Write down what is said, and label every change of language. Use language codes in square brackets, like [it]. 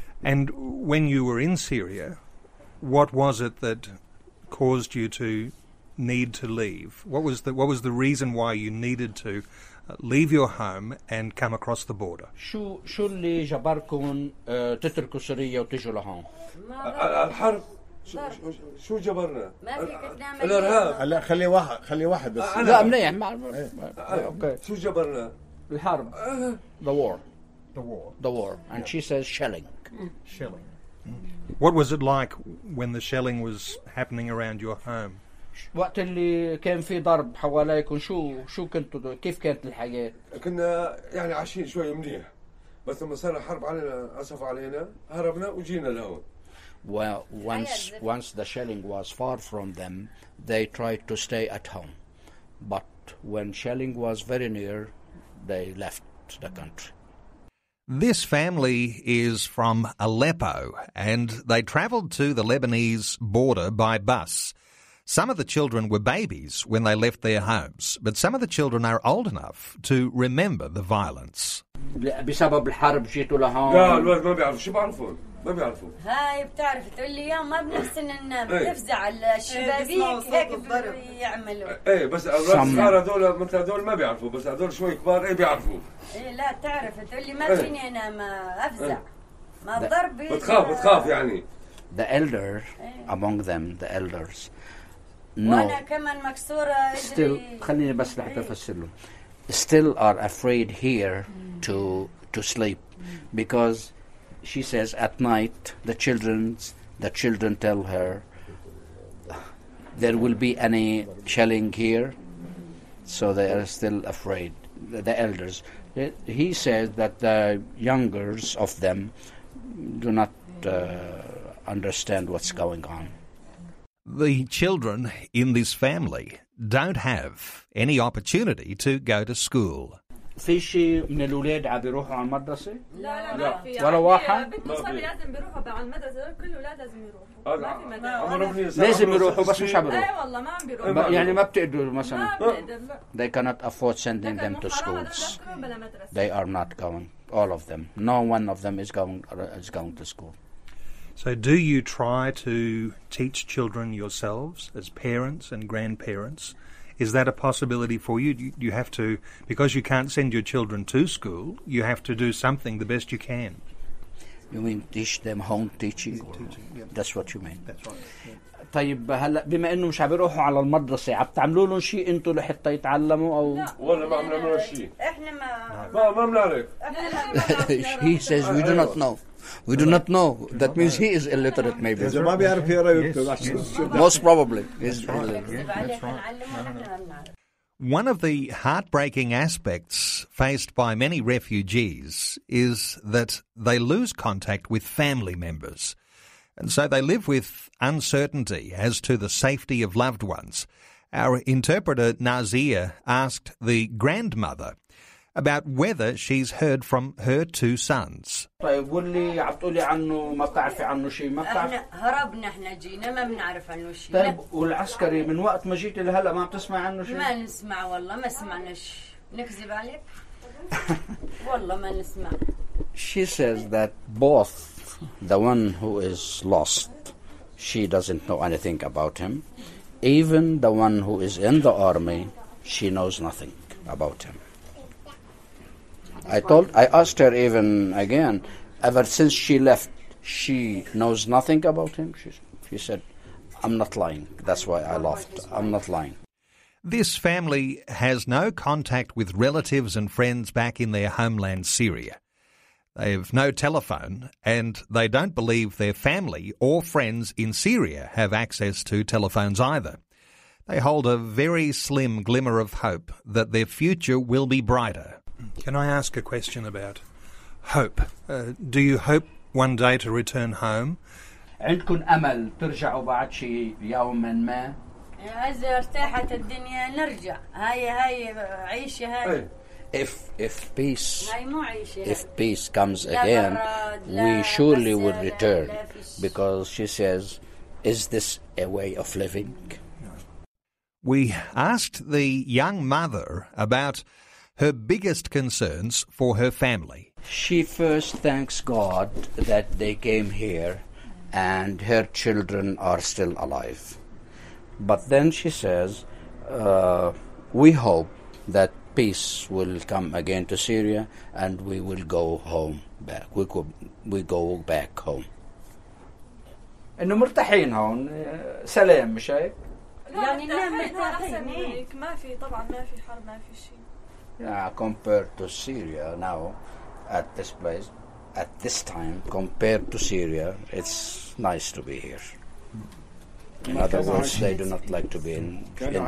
[en] And when you were in Syria, what was it that caused you to need to leave? What was the reason why you needed to leave your home and come across the border? [ar] شو اللي جبركم تتركوا سوريا وتجوا لهون؟ الحرب. شو جبرنا؟ ما في الإرهاب. هلا خلي واحد بس. لا منيح ما. اوكي. شو جبرنا؟ الحرب. [en] The war. And she says shelling. Shelling. What was it like when the shelling was happening around your home? [ar] وقت اللي كان في ضرب حواليكم شو كنتوا كيف كانت الحياة؟ كنا يعني عايشين شوي منيح بس لما صار الحرب علينا أسف علينا هربنا وجينا لهون. [en] Well, once the shelling was far from them, they tried to stay at home. But when shelling was very near, they left the country. This family is from Aleppo, and they travelled to the Lebanese border by bus. Some of the children were babies when they left their homes, but some of the children are old enough to remember the violence. [ar] بسبب الحرب جيتوا لهون. لا الولد ما بيعرف شو بعرفه. ما بيعرفوا. هاي بتعرف تقول لي اياه ما بنحسن ننام تفزع الشبابيك هيك يعملوا. ايه بس الصغار هذول مثل هذول ما بيعرفوا، بس هذول شوي كبار ايه بيعرفوا. ايه لا تعرف تقول لي ما فيني انام افزع ما بضرب. بتخاف بتخاف يعني. [en] The elder among them, the elders. No. Still, [ar] خليني بس لحتى أفسر له. [en] Still are afraid here to sleep because she says at night the children tell her there will be any shelling here, so they are still afraid. The elders, he says that the youngers of them do not. Understand what's going on. The children in this family don't have any opportunity to go to school. [ar] في شيء من الاولاد عم بيروحوا على المدرسه؟ لا لا ما في. ولا واحد بده يصلي لازم بيروحوا على المدرسه، كل الاولاد لازم يروحوا. ما في مدرسه. لازم يروحوا بس مش عم بيروحوا. اي والله ما عم بيروحوا. يعني ما بتقدروا مثلا. ما بتقدر. [en] They cannot afford sending them to schools. They are not going, all of them. No one of them is going to school. So do you try to teach children yourselves as parents and grandparents? Is that a possibility for you? You have to, because you can't send your children to school, you have to do something the best you can. You mean teach them home teaching? Yeah. That's what you mean. That's right. [ar] طيب هلا بما انه مش عم بيروحوا على المدرسه عم تعملوا لهم شيء انتم لحتى يتعلموا او ولا ما عم نعمل شيء؟ احنا ما بنعرف. [en] He says we do not know. We do not know. That means he is illiterate, maybe. Yes, right. Most probably. That's right. Yeah, that's right. One of the heartbreaking aspects faced by many refugees is that they lose contact with family members. And so they live with uncertainty as to the safety of loved ones. Our interpreter, Nazia, asked the grandmother about whether she's heard from her two sons. [ar] طيب واللي عم تقولي عنه ما بتعرفي عنه شيء ما بتعرفي؟ هربنا احنا جينا ما بنعرف عنه شيء. طيب والعسكري من وقت ما جيتي لهلا ما بتسمع عنه شيء؟ ما نسمع والله ما سمعنا شيء. نكذب عليك؟ والله ما نسمع. [en] She says that both the one who is lost, she doesn't know anything about him. Even the one who is in the army, she knows nothing about him. I asked her even again, ever since she left, she knows nothing about him. She said, I'm not lying. That's why I left. I'm not lying. This family has no contact with relatives and friends back in their homeland, Syria. They have no telephone, and they don't believe their family or friends in Syria have access to telephones either. They hold a very slim glimmer of hope that their future will be brighter. Can I ask a question about hope? Do you hope one day to return home? [ar] عندكم أمل ترجعوا بعد شيء يوم من ما؟ إذا ارتاحت الدنيا نرجع. هاي عيشة هاي. [en] If peace comes again, we surely will return. Because she says, is this a way of living? We asked the young mother about her biggest concerns for her family. She first thanks God that they came here and her children are still alive. But then she says, we hope that peace will come again to Syria and we will go home back. We go back home. [ar] إنه مرتاحين هون سلام مش هيك؟ لا يعني نعم مرتاحين. ما في طبعا ما في حرب ما في شيء. [en] Yeah, compared to Syria now, at this place, at this time, compared to Syria, it's nice to be here. In other words, they do not like to be in the war.